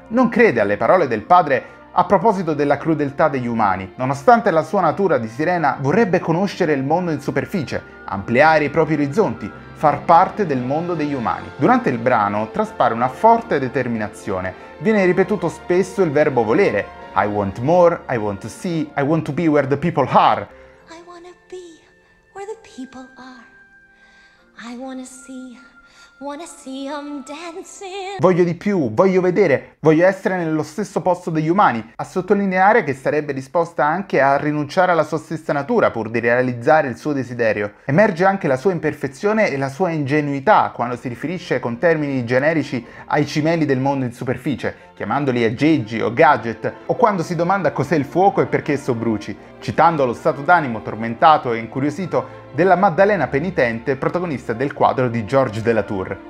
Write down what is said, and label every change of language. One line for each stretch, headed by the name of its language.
Italian: Non crede alle parole del padre a proposito della crudeltà degli umani. Nonostante la sua natura di sirena, vorrebbe conoscere il mondo in superficie, ampliare i propri orizzonti, far parte del mondo degli umani. Durante il brano traspare una forte determinazione. Viene ripetuto spesso il verbo volere.
English: I want more, I want to see, I want to be where the people are. I wanna be where the people are. I wanna see. Wanna see them dancing.
Italian: Voglio di più, voglio vedere, voglio essere nello stesso posto degli umani. A sottolineare che sarebbe disposta anche a rinunciare alla sua stessa natura pur di realizzare il suo desiderio. Emerge anche la sua imperfezione e la sua ingenuità quando si riferisce con termini generici ai cimeli del mondo in superficie, chiamandoli aggeggi o gadget, o quando si domanda cos'è il fuoco e perché esso bruci, citando lo stato d'animo tormentato e incuriosito della Maddalena penitente, protagonista del quadro di Georges de la Tour.